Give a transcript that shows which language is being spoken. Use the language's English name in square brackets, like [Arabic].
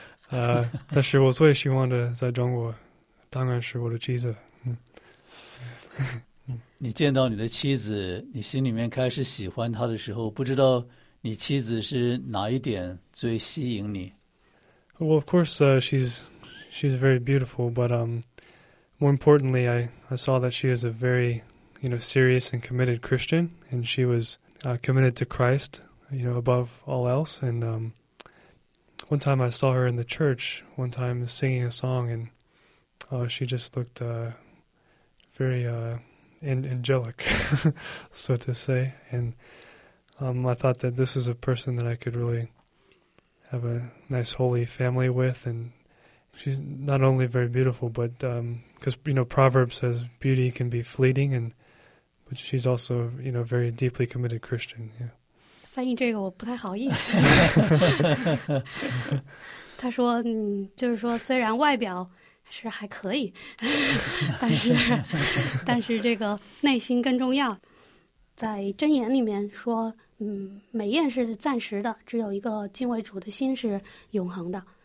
[Chinese] 但是我最喜欢的在中国，当然是我的妻子。你见到你的妻子，你心里面开始喜欢她的时候，不知道你妻子是哪一点最吸引你？ [English] Well, of course, she's very beautiful, but more importantly, I saw that she is a very, you know, serious and committed Christian, and she was committed to Christ, you know, above all else. And one time I saw her in the church, one time singing a song, and she just looked very angelic, so to say. And I thought that this was a person that I could really have a nice holy family with. And she's not only very beautiful, but because, you know, Proverbs says beauty can be fleeting, but she's also, you know, very deeply committed Christian. Yeah. [Chinese] 翻译这个我不太好意思。他说，就是说虽然外表是还可以，但是这个内心更重要。在箴言里面说，美艳是暂时的，只有一个敬畏主的心是永恒的。